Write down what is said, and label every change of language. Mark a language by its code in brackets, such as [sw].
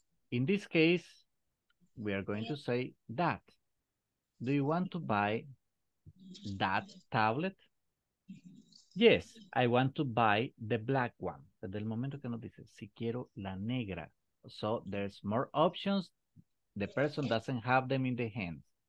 [en] In this case, we are going to say that. Do you want to buy that tablet? Yes, I want to buy the black one. [es] Desde el momento que nos dice, si quiero la negra. [en] So there's more options. The person doesn't have them in the hand.